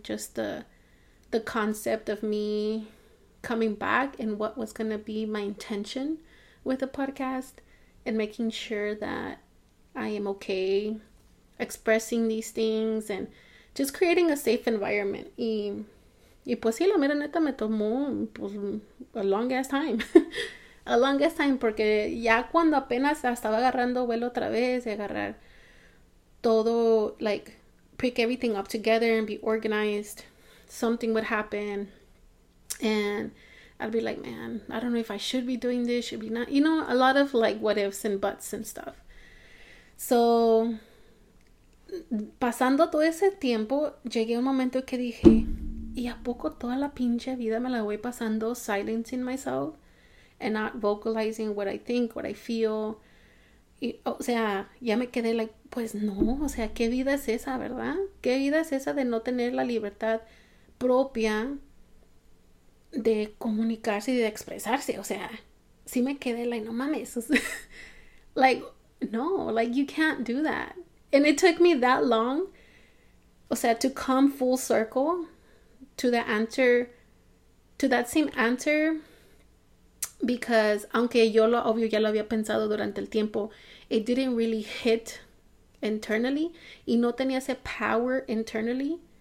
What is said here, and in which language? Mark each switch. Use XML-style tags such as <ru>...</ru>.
<en>Just the concept of me coming back and what was going to be my intention with the podcast and making sure that I am okay expressing these things and just creating a safe environment.</en> <es>Y pues sí, la mera neta me tomó pues,</es> <en>a long ass time. A longest time,</en> <es>porque ya cuando apenas estaba agarrando vuelo otra vez y agarrar todo,</es> <en>like, pick everything up together and be organized, something would happen. And I'd be like, man, I don't know if I should be doing this, should be not. A lot of like what ifs and buts and stuff.</en> <es>So, pasando todo ese tiempo, llegué a un momento que dije, ¿y a poco toda la pinche vida me la voy pasando</es> <en>silencing myself? And not vocalizing what I think, what I feel.</en> <es>Y, o sea, ya me quedé like, pues no, o sea, ¿qué vida es esa, verdad? ¿Qué vida es esa de no tener la libertad propia de comunicarse y de expresarse? O sea, sí me quedé like, no mames.</es> <en>Like, no, like you can't do that. And it took me that long,</en> <es>o sea,</es> <en>to come full circle to the answer, to that same answer.</en> <es>Because aunque yo lo obvio ya lo había pensado durante el tiempo,</es> <en>it didn't really hit internally</en> <es>y no tenía ese power internally</es>